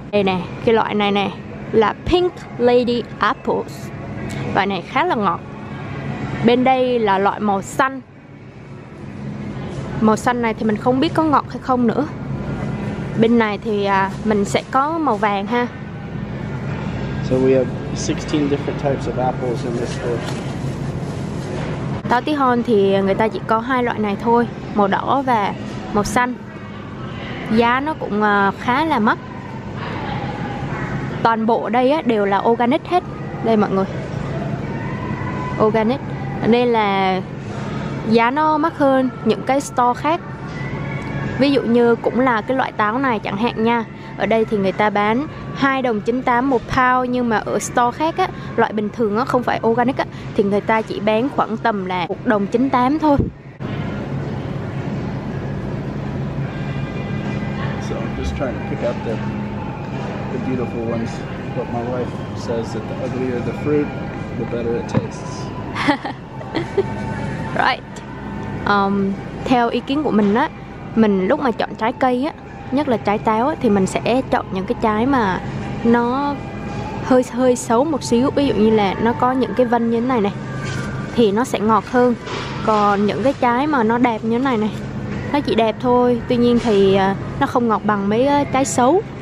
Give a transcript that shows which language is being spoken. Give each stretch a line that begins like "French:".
Vietnamese: Đây nè, cái loại này nè là Pink Lady Apples. Loại này khá là ngọt. Bên đây là loại màu xanh. Màu xanh này thì mình không biết có ngọt hay không nữa. Bên này thì mình sẽ có màu vàng ha.
English: So we have 16 different types of apples in this store.
Vietnamese: Táo tí hon thì người ta chỉ có hai loại này thôi, màu đỏ và màu xanh. Giá nó cũng khá là mắc. Toàn bộ đây á đều là organic hết. Đây mọi người. Organic. Nên là giá nó mắc hơn những cái store khác. Ví dụ như cũng là cái loại táo này chẳng hạn nha. Ở đây thì người ta bán 2 đồng 98 một pound, nhưng mà ở store khác á, loại bình thường á, không phải organic á, thì người ta chỉ bán khoảng tầm là 1 đồng 98 thôi.
English: Trying to pick up the beautiful ones, but my wife says that the uglier the fruit, the better it tastes. Right.
Vietnamese: Theo ý kiến của mình á, mình lúc mà chọn trái cây á, nhất là trái táo á, thì mình sẽ chọn những cái trái mà nó hơi xấu một xíu. Ví dụ như là nó có những cái vân như thế này này, thì nó sẽ ngọt hơn. Còn những cái trái mà nó đẹp như thế này này, nó chỉ đẹp thôi, tuy nhiên thì nó không ngọt bằng mấy trái xấu.